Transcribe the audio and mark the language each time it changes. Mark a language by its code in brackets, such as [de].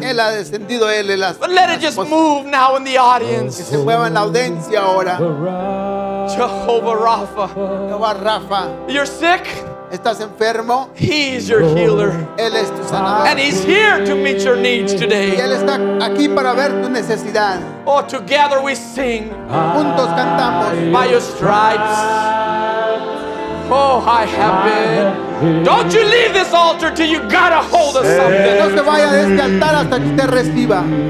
[es] Él ha descendido, él es la [en] But let it just move now in the audience. [es] Que se mueva en la audiencia ahora. [en] Jehovah Rapha. Jehovah Rapha. You're sick? [es] ¿Estás enfermo? [en] He is your healer. [es] Él es tu sanador. [en] And He's here to meet your needs today. [es] Y él está aquí para ver tu necesidad. [en] Oh, together we sing. [es] Juntos cantamos. [en] By your stripes. Oh, I have been. Don't you leave this altar till you got a hold of something. [es] No se vaya de este altar hasta que te reciba.